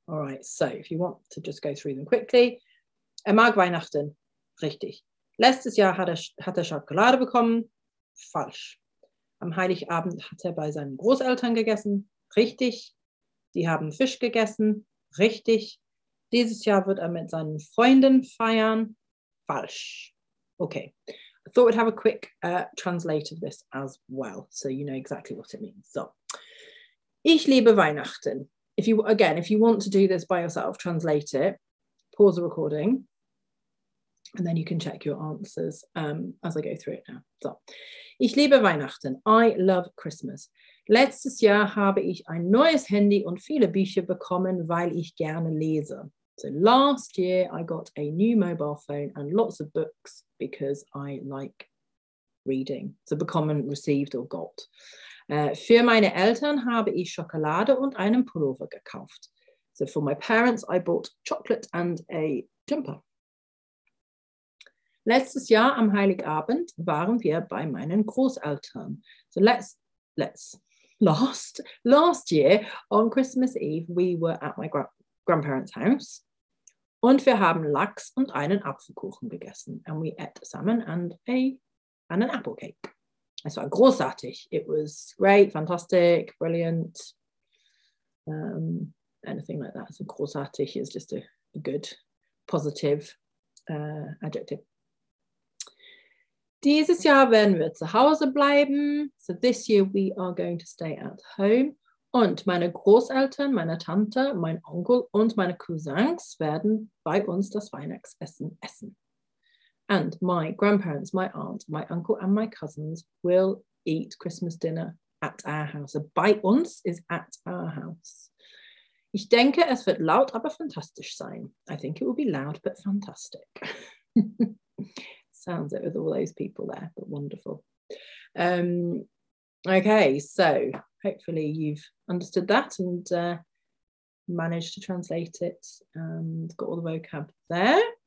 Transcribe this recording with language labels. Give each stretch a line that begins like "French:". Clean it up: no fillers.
English: All right, so if you want to just go through them quickly.
German: Er mag Weihnachten. Richtig. Letztes Jahr hat er Schokolade bekommen. Falsch. Am Heiligabend hat er bei seinen Großeltern gegessen. Richtig. Die haben Fisch gegessen. Richtig. Dieses Jahr wird er mit seinen Freunden feiern. Falsch. Okay.
English: I thought we'd have a quick translate of this as well, so you know exactly what it means. So,
German: ich liebe Weihnachten.
English: If you want to do this by yourself, translate it, pause the recording, and then you can check your answers as I go through it now.
German: So, ich liebe Weihnachten.
English: I love Christmas.
German: Letztes Jahr habe ich ein neues Handy und viele Bücher bekommen, weil ich gerne lese.
English: So last year I got a new mobile phone and lots of books because I like reading. So bekommen, received or got.
German: Für meine Eltern habe ich Schokolade und einen Pullover gekauft.
English: So for my parents I bought chocolate and a jumper.
German: Letztes Jahr am Heiligabend waren wir bei meinen Großeltern.
English: So last year on Christmas Eve we were at my grandparents' house.
German: Und wir haben Lachs und einen Apfelkuchen gegessen.
English: And we ate salmon and an apple cake.
German: Es war großartig.
English: It was great, fantastic, brilliant. Anything like that. So großartig is just a good, positive adjective.
German: Dieses Jahr werden wir zu Hause bleiben.
English: So this year we are going to stay at home.
German: Und meine Großeltern, meine Tante, mein Onkel und meine Cousins werden bei uns das Weihnachtsessen essen.
English: And my grandparents, my aunt, my uncle and my cousins will eat Christmas dinner at our house. So
German: bei uns
English: is at our house.
German: Ich denke, es wird laut, aber fantastisch sein.
English: I think it will be loud, but fantastic. Sounds it with all those people there, but wonderful. Okay, so hopefully you've understood that and managed to translate it and got all the vocab there.